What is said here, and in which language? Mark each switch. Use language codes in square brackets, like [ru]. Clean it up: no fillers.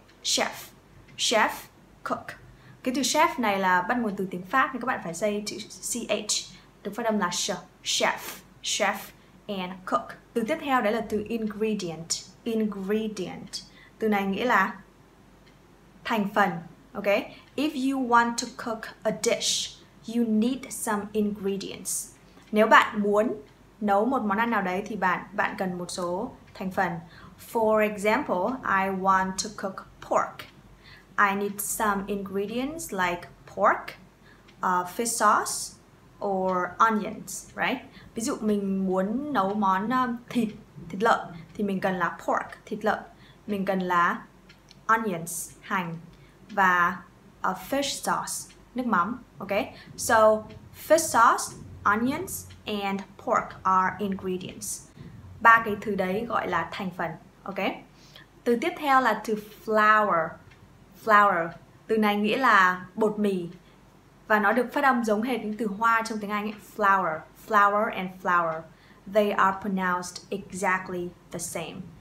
[en] Chef, chef, cook. [vi] Cái từ chef này là bắt nguồn từ tiếng Pháp, nên các bạn phải say chữ CH, được phát âm là ch, chef, chef and cook. Từ tiếp theo đấy là từ ingredient, ingredient. Từ này nghĩa là thành phần, ok? [en] If you want to cook a dish, you need some ingredients. [vi] Nếu bạn muốn nấu một món ăn nào đấy thì bạn cần một số thành phần. [en] For example, I want to cook pork. I need some ingredients like pork, fish sauce, or onions, right? [vi] Ví dụ mình muốn nấu món thịt lợn thì mình cần là pork, thịt lợn. Mình cần là onions, hành, và fish sauce, nước mắm. [en] Okay, so fish sauce, onions, and pork are ingredients. [vi] Ba cái thứ đấy gọi là thành phần. Okay, từ tiếp theo là từ flour. Flour, từ này nghĩa là bột mì. Và nó được phát âm giống hệt những từ hoa trong tiếng Anh ấy. [en] Flour, flour and flour. They are pronounced exactly the same.